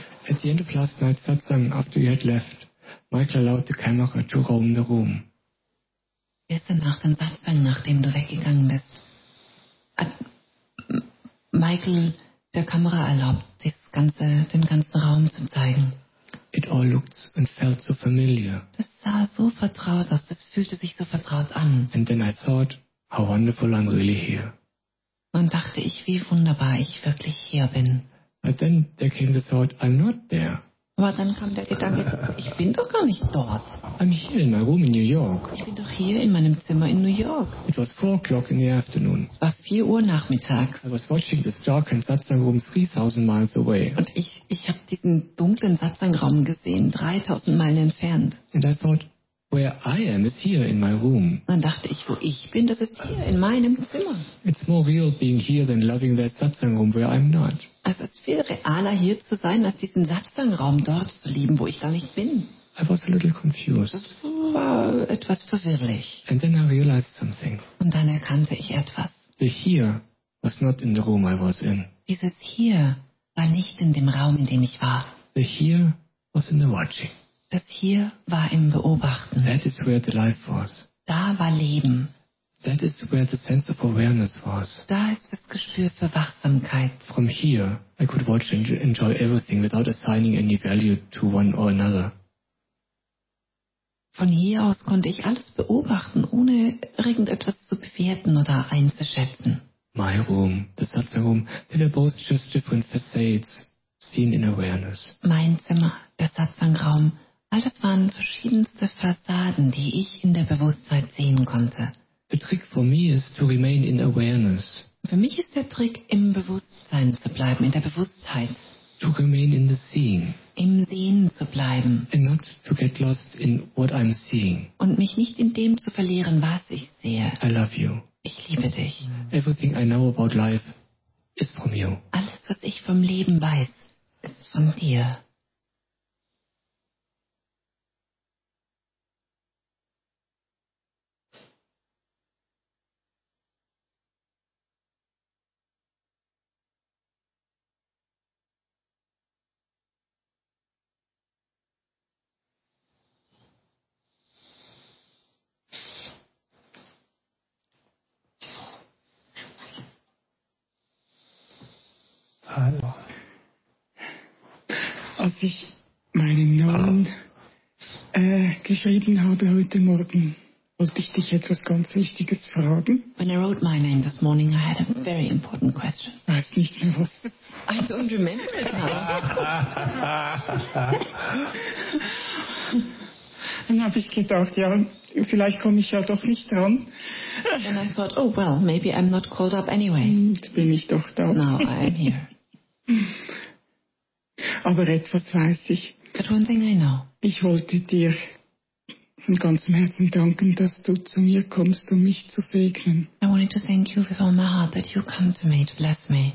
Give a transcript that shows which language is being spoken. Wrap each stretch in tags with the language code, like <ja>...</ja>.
<en>At the end of last night's satsang, after you had left, Michael allowed the camera to roam the room.</en> <de>Gestern nach dem Satsang, nachdem du weggegangen bist, Michael der Kamera erlaubt, den ganzen Raum zu zeigen.</de> <en>It all looked and felt so familiar.</en> <de>Das sah so vertraut aus, das fühlte sich so vertraut an.</de> <en>And then I thought, how wonderful I'm really here.</en> <de>Und dachte ich, wie wunderbar ich wirklich hier bin.</de> <en>But then there came the thought, I'm not there.</en> <de>Aber dann kam der Gedanke, ich bin doch gar nicht dort.</de> <en>I'm here in my room in New York.</en> <de>Ich bin doch hier in meinem Zimmer in New York.</de> <en>It was 4 o'clock in the afternoon.</en> <de>Es war 4 Uhr Nachmittag.</de> <en>I was watching this dark and satsang room 3,000 miles away.</en> <de>Und ich habe diesen dunklen Satsangraum gesehen, 3,000 Meilen entfernt.</de> <en>And I thought, where I am is here in my room.</en> <de>Dann dachte ich, wo ich bin, das ist hier in meinem Zimmer.</de> <en>It's more real being here than loving that satsang room where I'm not.</en> <de>Also es ist viel realer hier zu sein, als diesen Satsangraum dort zu lieben, wo ich gar nicht bin.</de> <en>I was a little confused.</en> <de>Das war etwas verwirrlich.</de> <en>And then I realized something.</en> <de>Und dann erkannte ich etwas.</de> <en>The here was not in the room I was in.</en> <de>Dieses hier war nicht in dem Raum, in dem ich war.</de> <en>The here was in the watching.</en> <de>Das hier war im Beobachten.</de> <en>That is where the life was.</en> <de>Da war Leben.</de> <en>That is where the sense of awareness was.</en> <de>Da ist das Gespür für Wachsamkeit.</de> <en>From here, I could watch and enjoy everything without assigning any value to one or another.</en> <de>Von hier aus konnte ich alles beobachten, ohne irgendetwas zu bewerten oder einzuschätzen.</de> <en>My room, the Satsang room, they were both just different facades seen in awareness.</en> <de>Mein Zimmer, der Satsang Raum, all das waren verschiedenste Fassaden, die ich in der Bewusstheit sehen konnte.</de> <en>The trick for me is to remain in awareness.</en> <de>Für mich ist der Trick, im Bewusstsein zu bleiben, in der Bewusstheit.</de> <en>To remain in the seeing.</en> <de>Im Sehen zu bleiben.</de> <en>And not to get lost in what I'm seeing.</en> <de>Und mich nicht in dem zu verlieren, was ich sehe.</de> <en>I love you.</en> <de>Ich liebe dich.</de> <en>Everything I know about life is from you. Alles, was ich vom Leben weiß, ist von dir. Als ich meinen Namen geschrieben habe heute Morgen, wollte ich dich etwas ganz Wichtiges fragen. When I wrote my name this morning, I had a very important question.</en> <de>Weiß nicht mehr was.</de> <en>I don't remember it now.</en> <de>Dann habe ich gedacht, ja, vielleicht komme ich ja doch nicht dran.</de> <en>And I thought, oh well, maybe I'm not called up anyway.</en> <de>Jetzt bin ich doch da.</de> <en>Now I'm here.</en> <de>Aber etwas weiß ich.</de> <en>But one thing I know.</en> <de>Ich wollte dir von ganzem Herzen danken, dass du zu mir kommst, um mich zu segnen.</de> <en>I wanted to thank you with all my heart that you come to me to bless me.</en>